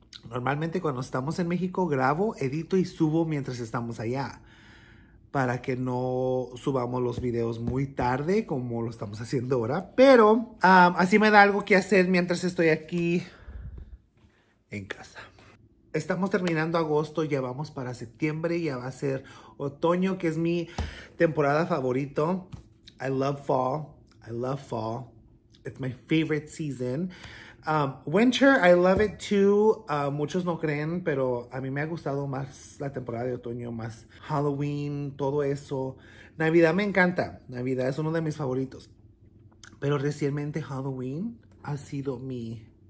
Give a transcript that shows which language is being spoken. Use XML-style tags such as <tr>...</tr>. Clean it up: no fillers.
<es>Normalmente cuando estamos en México grabo, edito y subo mientras estamos allá para que no subamos los videos muy tarde como lo estamos haciendo ahora. Pero así me da algo que hacer mientras estoy aquí en casa. Estamos terminando agosto, ya vamos para septiembre, ya va a ser otoño, que es mi temporada favorito.</es> <en>I love fall, it's my favorite season.</en> <es>Winter, I love it too, muchos no creen, pero a mí me ha gustado más la temporada de otoño, más Halloween, todo eso. Navidad me encanta, Navidad es uno de mis favoritos, pero recientemente Halloween ha sido mi...</es>